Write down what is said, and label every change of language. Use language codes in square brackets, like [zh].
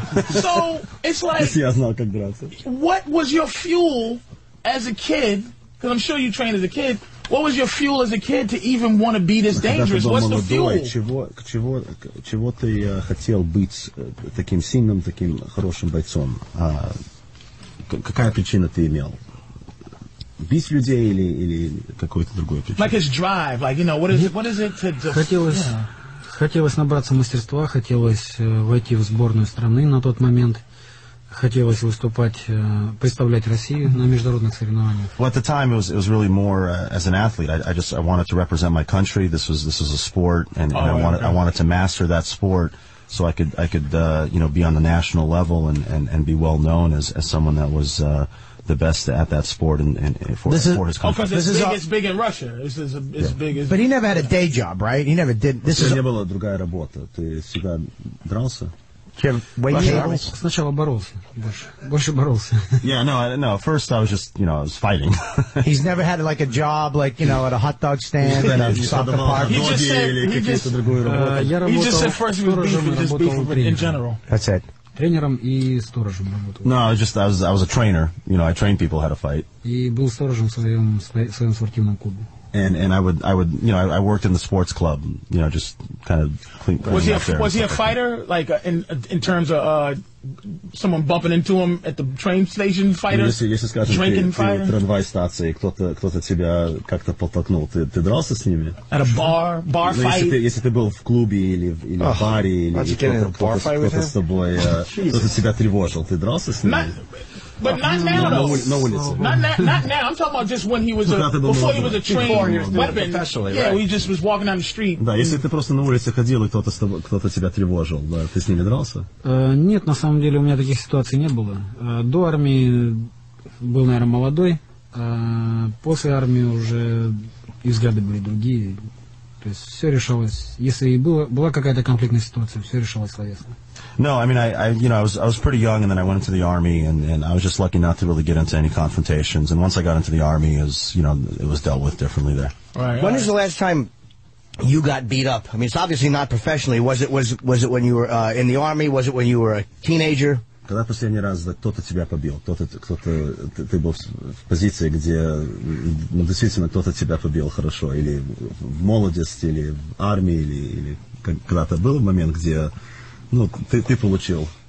[en] So, it's like... [ru] Если я знал, как драться. [en] What was your fuel as a kid? Because I'm sure you trained as a kid. What was your fuel as a kid to even want to be this dangerous? What's the fuel? [ru] Чего ты хотел быть таким сильным, таким хорошим бойцом? Какая причина ты имел? убить людей или, или какой-то другой причин. [en] Like his drive, like, you know, what is it to... [ru] Хотелось набраться мастерства, хотелось войти в сборную страны на тот момент. Хотелось выступать, представлять Россию на международных соревнованиях. [en] Well, at the time, it was really more as an athlete. I wanted to represent my country. This was a sport, and I wanted to master that sport so I could be on the national level and be well known as someone that was the best at that sport and for his country. Oh, it's big in Russia. It's big. But he never had a day job, right? He never did. This is [ru] не было другая работа. Ты всегда дрался. Сначала боролся, больше боролся. [en] Yeah, no. At first, I was just, you know, I was fighting. He's never had like a job, like, you know, at a hot dog stand or at a park. He just said first he was beef, just beef in general. That's it. [ru] Тренером и сторожем работал. [en] No, just I was a trainer. You know, I trained people how to fight. [ru] И был сторожем в своем спортивном клубе. [en] And I worked in the sports club, you know, just kind of clean. Was he a fighter, like in terms of someone bumping into him at the train station? Fighter, drinking fighter. [ru] Трамвай станции, кто-то тебя как-то подтолкнул. Ты дрался с ними? [en] At a bar fight. [ru] Если ты был в клубе или в баре или кто-то с тобой, кто-то тебя тревожил, ты дрался с ними? [en] But not now, though. Not now. I'm talking about just when he was before he was a trained weapon. Yeah, right. He just was walking down the street. [ru] Да, если ты просто на улице ходил и кто-то тебя тревожил, да, ты с ними дрался? Нет, на самом деле у меня таких ситуаций не было. До армии был, наверное, молодой. После армии уже и взгляды были другие. То есть все решалось. Если и была какая-то конфликтная ситуация, все решалось словесно. [en] No, I mean, I was pretty young, and then I went into the army, and I was just lucky not to really get into any confrontations. And once I got into the army, it was dealt with differently there. Right. When was the last time you got beat up? I mean, it's obviously not professionally. Was it when you were in the army? Was it when you were a teenager? [ru] Когда последний раз кто-то тебя побил? Кто-то ты был в позиции, где действительно кто-то тебя побил хорошо, или в молодости, или в армии, или когда-то был момент, где ну, ты получил.